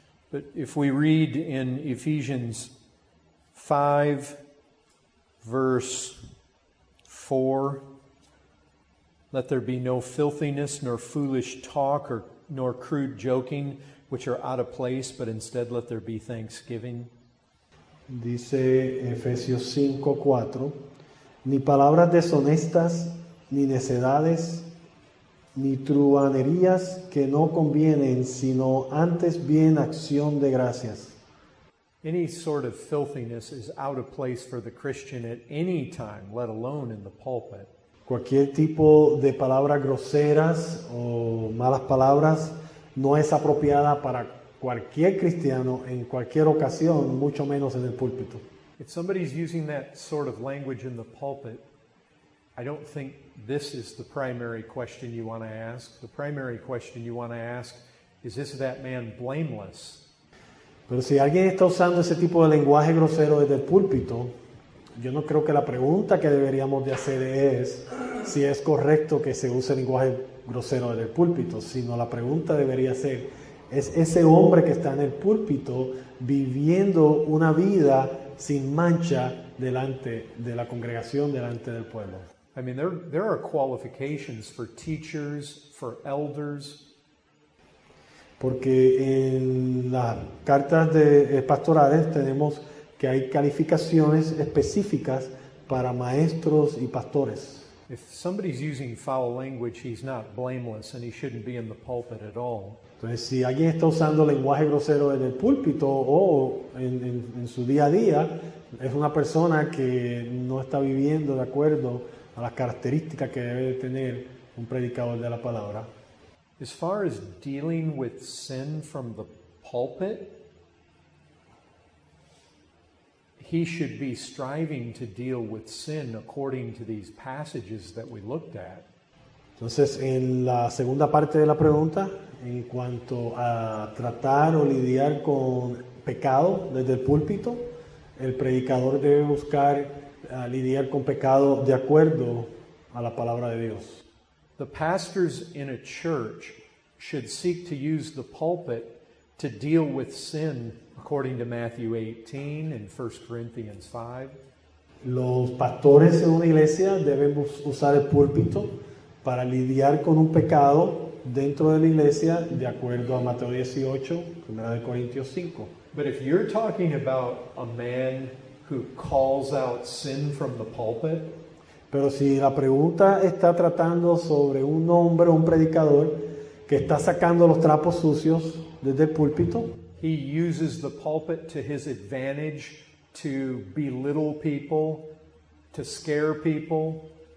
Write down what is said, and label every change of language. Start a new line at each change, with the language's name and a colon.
English: But if we read in Ephesians 5, verse 4, let there be no filthiness, nor foolish talk, nor crude joking, which are out of place, but instead let there be thanksgiving.
Spanish: Dice Efesios 5, 4, ni palabras deshonestas, ni necedades, ni truhanerías que no convienen, sino antes bien acción de gracias.
English: Any sort of filthiness is out of place for the Christian at any time, let alone in the pulpit.
Spanish: Cualquier tipo de palabras groseras o malas palabras no es apropiada para cualquier cristiano en cualquier ocasión, mucho menos en el púlpito.
English: If somebody's using that sort of language in the pulpit, I don't think this is the primary question you want to ask. The primary question you want to ask is, is that man blameless?
Spanish: Pero si alguien está usando ese tipo de lenguaje grosero desde el púlpito, yo no creo que la pregunta que deberíamos de hacer es si es correcto que se use lenguaje grosero desde el púlpito, sino la pregunta debería ser, ¿es ese hombre que está en el púlpito viviendo una vida sin mancha delante de la congregación, delante del pueblo?
English: I mean, there are qualifications for teachers, for elders.
Spanish: Porque en las cartas de pastorales tenemos que hay calificaciones específicas para maestros y pastores.
English: If somebody's using foul language, he's not blameless and he shouldn't be in the pulpit at all.
Spanish: Entonces, si alguien está usando lenguaje grosero en el púlpito o en su día a día, es una persona que no está viviendo de acuerdo a las características que debe tener un predicador de la palabra.
English: As far as dealing with sin from the pulpit, he should be striving to deal with sin according to these passages that we looked at.
Spanish: Entonces, en la segunda parte de la pregunta, en cuanto a tratar o lidiar con pecado desde el púlpito, el predicador debe buscar lidiar con pecado de acuerdo a la palabra de Dios.
English: The pastors in a church should seek to use the pulpit to deal with sin according to Matthew 18 and 1 Corinthians 5.
Spanish: Los pastores en una iglesia deben usar el púlpito para lidiar con un pecado dentro de la iglesia de acuerdo a Mateo 18, 1 Corintios 5.
English: But if you're talking about a man who calls out sin from the pulpit,
Spanish: pero si la pregunta está tratando sobre un hombre o un predicador que está sacando los trapos sucios desde el púlpito,
English: he uses the pulpit to his advantage to belittle people, to scare people,